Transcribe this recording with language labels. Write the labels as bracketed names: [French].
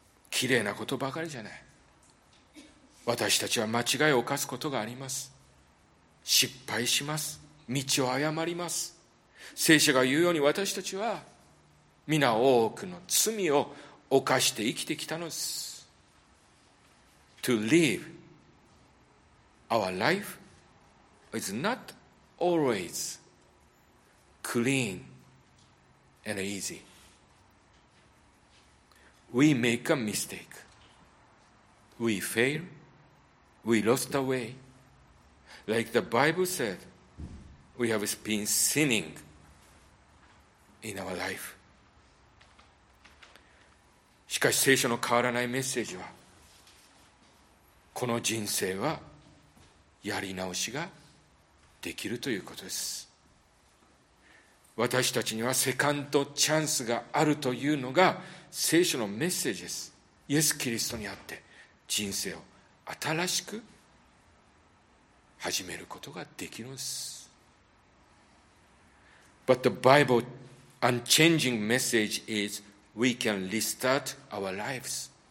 [Japanese] 綺麗なことばかりじゃない。私たちは間違いを犯すことがあります。失敗します。道を誤ります。聖書が言うように私たちは皆多くの罪を犯して生きてきたのです。 [English] To live our life is not always clean and easy. We make a mistake. We fail. We lost our way. Like the Bible said, we have been sinning in our life. [Japanese] しかし聖書の変わらないメッセージは、この人生はやり直しができるということです。私たちにはセカンドチャンスがあるというのが聖書のメッセージです。イエス・キリストにあって人生を新しく始めることができるんです。 [English] But the Bible unchanging message is we can restart our lives.